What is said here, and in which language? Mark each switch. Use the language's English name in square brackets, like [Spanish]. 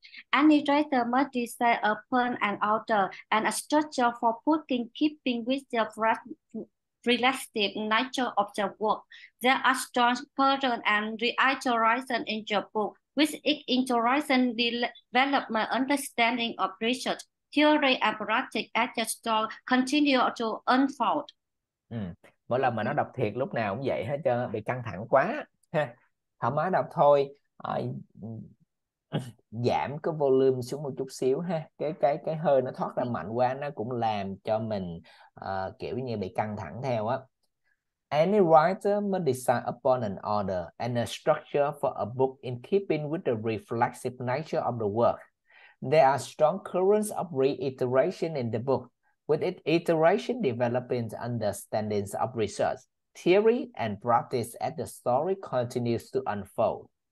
[English] Any writer must decide upon an order and a structure for booking keeping with the relative nature of the work. There are strong pattern and reiteration in the book, with each iteration develop my understanding of research, theory and practice as the story continue to unfold. [Vietnamese] Mỗi lần mà nó đọc thiệt lúc nào cũng vậy hết trơn, bị căng thẳng quá ha. Thoải mái đọc thôi. Giảm cái volume xuống một chút xíu ha, cái hơi nó thoát ra mạnh quá nó cũng làm cho mình kiểu như bị căng thẳng theo á. [English] Any writer must decide upon an order and a structure for a book in keeping with the reflexive nature of the work. There are strong currents of reiteration in the book, with its iteration developing understandings of research, theory and practice as the story continues to unfold.